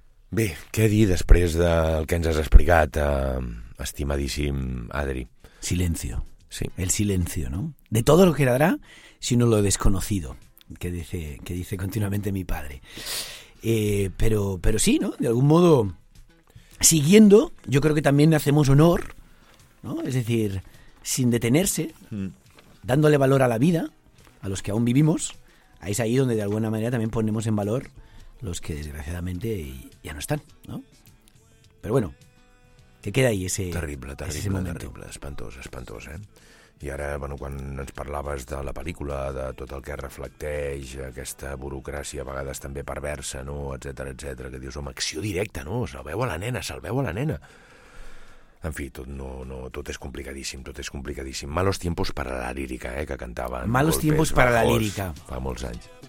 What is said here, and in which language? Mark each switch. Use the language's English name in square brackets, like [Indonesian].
[Catalan] Bé, què dir després del que ens has explicat, estimadíssim Adri? [Spanish] Silencio. Sí. El silencio, ¿no? De todo lo que quedará, sino lo desconocido, que dice continuamente mi padre. Pero sí, ¿no? De algún modo, siguiendo, yo creo que también hacemos honor, ¿no? Es decir, sin detenerse, dándole valor a la vida, a los que aún vivimos, es ahí donde de alguna manera también ponemos en valor los que desgraciadamente ya no están, ¿no? Pero bueno, que queda ahí ese terrible, terrible, ese momento. [Catalan] Terrible, espantós, espantós, ¿eh? I ara, bueno, quan ens parlaves de la pel·lícula, de tot el que reflecteix aquesta burocràcia, a vegades també perversa, no?, etcètera, etcètera, que dius, home, acció directa, no?, salveu a la nena. En fi, tot és complicadíssim, tot és complicadíssim. [Spanish] Malos tiempos para la lírica, [Catalan] que cantaven. [Spanish] Malos tiempos para la lírica. [Catalan] Fa molts anys.